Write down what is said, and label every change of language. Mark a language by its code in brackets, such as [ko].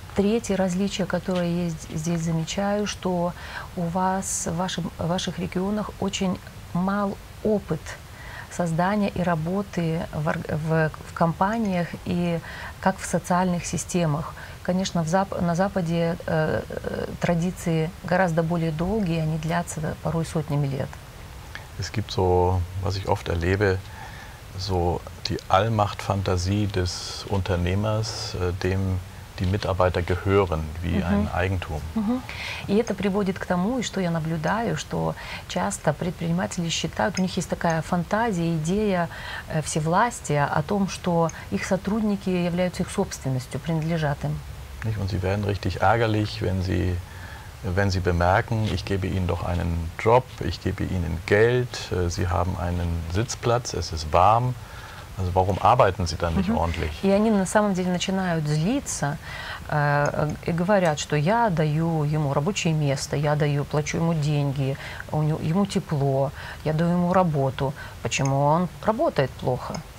[ru] Третье различие, которое я здесь замечаю, что у вас в ваших регионах очень мал опыт создания и работы в компаниях и как в социальных системах. Конечно, на Западе традиции гораздо более долгие, они длятся порой сотнями лет. [de] Es gibt so, was ich oft erlebe, so die Allmachtfantasie des Unternehmers, dem die Mitarbeiter gehören, wie ein Eigentum. [ru] И это приводит к тому, что я наблюдаю, что часто предприниматели считают, у них есть такая фантазия, идея всевластия о том, что их сотрудники являются их собственностью, принадлежат им. [de] Und sie werden richtig ärgerlich, wenn sie bemerken, ich gebe ihnen doch einen Job, ich gebe ihnen Geld, sie haben einen Sitzplatz, es ist warm. Also warum arbeiten sie dann nicht ordentlich? [ru] И они на самом деле начинают злиться и говорят, что я даю ему рабочее место, я даю, плачу ему деньги, ему тепло, я даю ему работу. Почему он работает плохо?